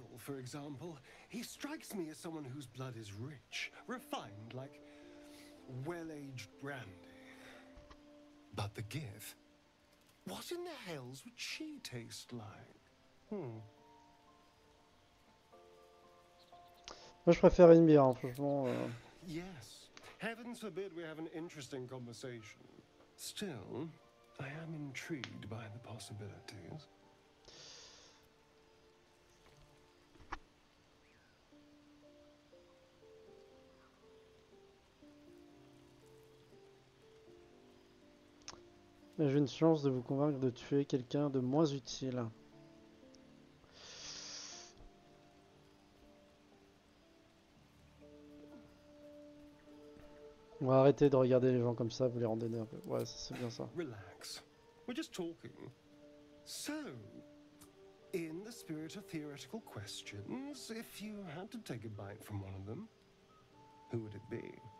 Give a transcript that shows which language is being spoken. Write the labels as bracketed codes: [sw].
[en] For example, he strikes me as someone whose blood is rich, refined, like well-aged brandy. But the Gith, what in the hells would she taste like? [fr] Moi, je préfère une bière, franchement. [en] Yes, heavens forbid we have an interesting conversation. Still, I am intrigued by the possibilities. [fr] Mais j'ai une chance de vous convaincre de tuer quelqu'un de moins utile. On va arrêter de regarder les gens comme ça, vous les rendez nerveux. Ouais, c'est bien ça. [en] Relax. We're just talking. So, in the spirit of theoretical questions, if you had to take a bite from one of them, who would it be?